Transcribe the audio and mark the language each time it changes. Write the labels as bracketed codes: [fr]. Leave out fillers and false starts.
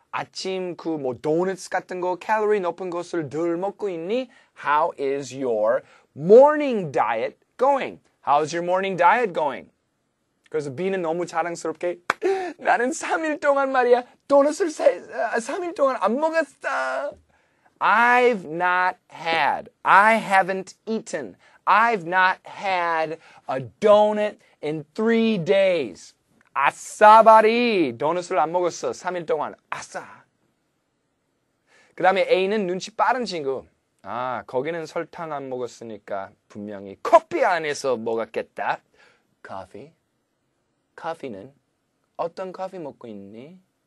[ko] 아침 그 뭐 도넛 같은 거, 칼로리 높은 것을 덜 먹고 있니? [en] How is your morning diet going? How's your morning diet going? [ko] 그래서 B는 너무 자랑스럽게 나는 3일 동안 말이야 도넛을 3일 동안 안 먹었어. [en] I've not had, I haven't eaten, I've not had a donut in 3 days. [ko] 아싸바리, 도넛을 안 먹었어, 3일 동안. 아싸. 그 다음에 A는 눈치 빠른 친구. 아, 거기는 설탕 안 먹었으니까 분명히 커피 안에서 먹었겠다. 커피? 커피는? 어떤 커피 먹고 있니?